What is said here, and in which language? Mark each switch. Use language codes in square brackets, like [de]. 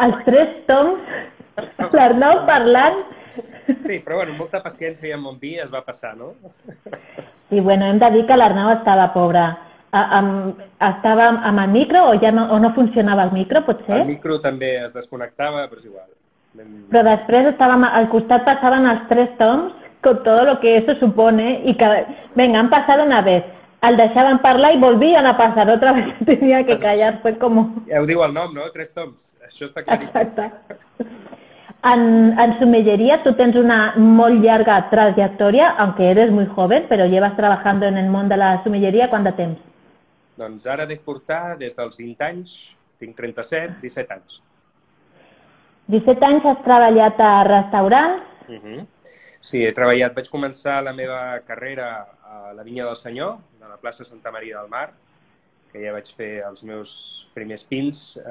[ca] Els tres toms, l'Arnau parlant. Sí, però bueno, molta paciència i amb bon vi es va passar, no? I bueno, hem de dir que l'Arnau estava pobre. Estava amb el micro o ja no funcionava el micro, potser? El micro també es desconnectava, però és igual. Però després estàvem al costat, passaven els tres toms, [es] con todo lo que eso supone y que, venga, han pasado una vez, al dejaban hablar y volvían a pasar otra vez, tenía que callar, fue como... Ya os digo el nombre, ¿no? Tres toms, eso está clarísimo. Exacto. En sumillería tú tienes una muy larga trayectoria, aunque eres muy joven, pero llevas trabajando en el mundo de la sumillería, ¿cuánto tiempo? [ca] Doncs ara de portar des dels 20 anys, tinc 37, 17 anys. 17 anys has treballat a restaurants. Sí, he treballat. Vaig començar la meva carrera a la Vinya del Senyor, de la plaça Santa Maria del Mar, que ja vaig fer els meus primers pins.